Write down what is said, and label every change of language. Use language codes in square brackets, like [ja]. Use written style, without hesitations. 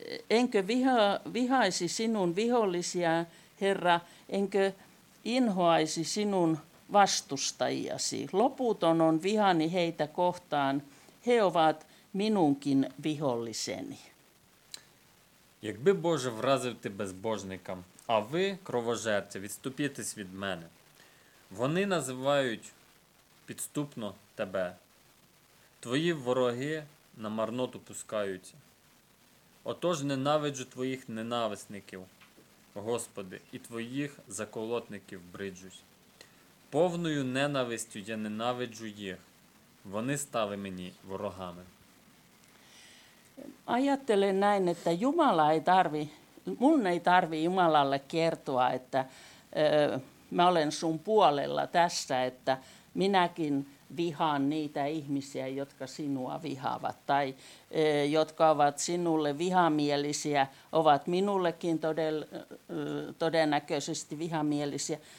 [fi] Enkö vihaisi sinun vihollisia, Herra, enkö inhoaisi sinun vastustajiasi? Loputon on vihani heitä kohtaan, he ovat minunkin viholliseni. [uk] Якби Боже вразив ти безбожникам, а ви, кровожерці, відступітесь від мене. Вони називають підступно тебе. Твої вороги на марноту пускаються. Отож ненавиджу твоїх ненависників, Господи, і твоїх заколотників бриджусь. Повною ненавистю я ненавиджу їх. Вони стали мені ворогами. [fi] Ajattelen näin, että Jumala ei tarvi, mun ei tarvi Jumalalle kertoa, että mä olen sun puolella tässä, että minäkin vihaan niitä ihmisiä, jotka sinua vihaavat tai jotka ovat sinulle vihamielisiä, ovat minullekin todennäköisesti vihamielisiä.